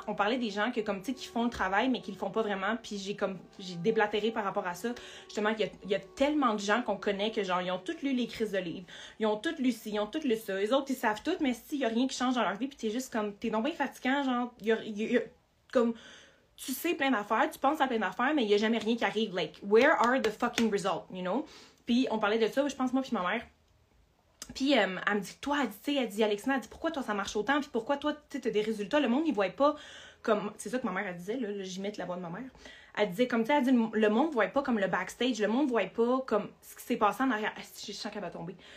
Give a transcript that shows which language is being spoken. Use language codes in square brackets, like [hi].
[fr] On parlait des gens que, comme, tu sais, qui font le travail, mais qui le font pas vraiment. Puis j'ai déblatéré par rapport à ça. Justement, il y a tellement de gens qu'on connaît que, genre, ils ont toutes lu les crises de livres. Ils ont toutes lu ci, ils ont toutes lu ça. Les autres, ils savent tout, mais s'il y a rien qui change dans leur vie, puis t'es juste comme, t'es donc bien fatiguant, genre, comme, tu sais plein d'affaires, tu penses à plein d'affaires, mais il y a jamais rien qui arrive. [en] Like, where are the fucking results, you know? [fr] Puis on parlait de ça, je pense, moi, puis ma mère. Puis elle me dit, toi, tu sais, elle dit, Alexina, elle dit, pourquoi toi ça marche autant? Puis pourquoi toi, tu sais, t'as des résultats? Le monde, il voit pas comme. C'est ça que ma mère, elle disait, là, j'imite la voix de ma mère. Elle disait, comme, tu sais, elle dit, le monde voit pas comme le backstage, le monde voit pas comme ce qui s'est passé en arrière. Ah, je sens qu'elle va tomber.